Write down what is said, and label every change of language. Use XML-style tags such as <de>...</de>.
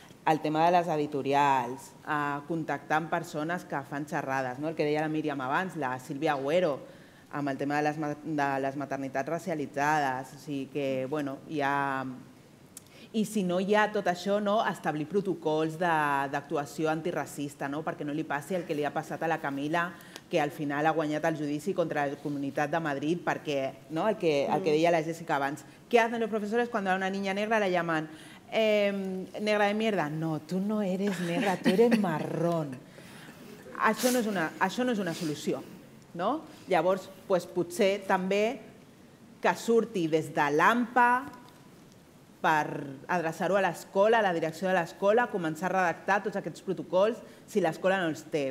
<ca>El tema de les editorials, contactar amb persones que fan xerrades, no? El que deia la Míriam abans, la Sílvia Agüero, amb el tema de les maternitats racialitzades. O sigui que, bueno, i si no hi ha tot això, no? Establir protocols d'actuació antiracista, no? Perquè no li passi el que li ha passat a la Camila, que al final ha guanyat el judici contra la Comunitat de Madrid, perquè, no? el que deia la Jessica abans.</ca> <es>Què hacen los profesores cuando a una niña negra la llaman... negra de mierda, no, tu no eres negra, tu eres marrón.</es> <ca>Això no és una solució, no? Llavors, doncs, potser també que surti des de l'AMPA per adreçar-ho a l'escola, a la direcció de l'escola, començar a redactar tots aquests protocols si l'escola no els té.</ca>